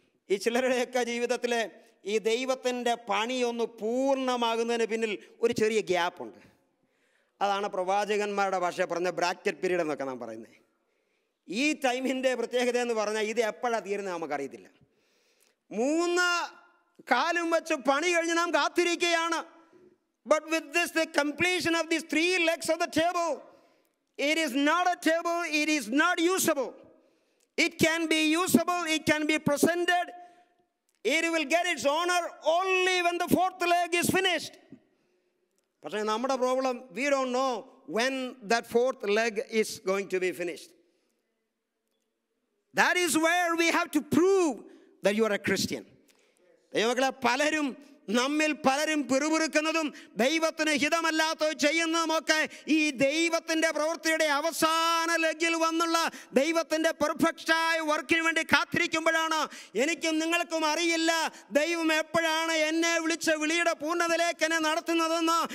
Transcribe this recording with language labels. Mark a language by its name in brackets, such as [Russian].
[Malayalam] ഈ ചിലരുടെയൊക്കെ ജീവിതത്തിലെ ഈ ദൈവത്തിൻ്റെ പണിയൊന്ന് പൂർണ്ണമാകുന്നതിന് പിന്നിൽ ഒരു ചെറിയ ഗ്യാപ്പുണ്ട്. അതാണ് പ്രവാചകന്മാരുടെ ഭാഷയെ പറഞ്ഞ ബ്രാക്കറ്റ് പീരീഡ് എന്നൊക്കെ നാം പറയുന്നത്. ഈ ടൈമിൻ്റെ പ്രത്യേകത എന്ന് പറഞ്ഞാൽ ഇത് എപ്പോഴാണ് തീരുന്നത് നമുക്കറിയത്തില്ല. 3 കാലും വെച്ച് പണി കഴിഞ്ഞ് നാം കാത്തിരിക്കുകയാണ്. [English] But with this, the completion of these 3 legs of the table, it is not a table, it is not usable. It can be usable, it can be presented, it will get its honor only when the 4th leg is finished. But in our problem, we don't know when that 4th leg is going to be finished. That is where we have to prove that you are a Christian. [Malayalam] Devakala palarum, നമ്മിൽ പലരും പിറുപിറുക്കുന്നതും ദൈവത്തിന് ഹിതമല്ലാത്തത് ചെയ്യുന്നതുമൊക്കെ ഈ ദൈവത്തിൻ്റെ പ്രവൃത്തിയുടെ അവസാന ലെഗിൽ വന്നുള്ള ദൈവത്തിൻ്റെ പെർഫെക്റ്റായ വർക്കിന് വേണ്ടി കാത്തിരിക്കുമ്പോഴാണ്. എനിക്കും നിങ്ങൾക്കും അറിയില്ല ദൈവം എപ്പോഴാണ് എന്നെ വിളിച്ച വിളിയുടെ പൂർണ്ണതയിലേക്ക് എന്നെ നടത്തുന്നതെന്ന്.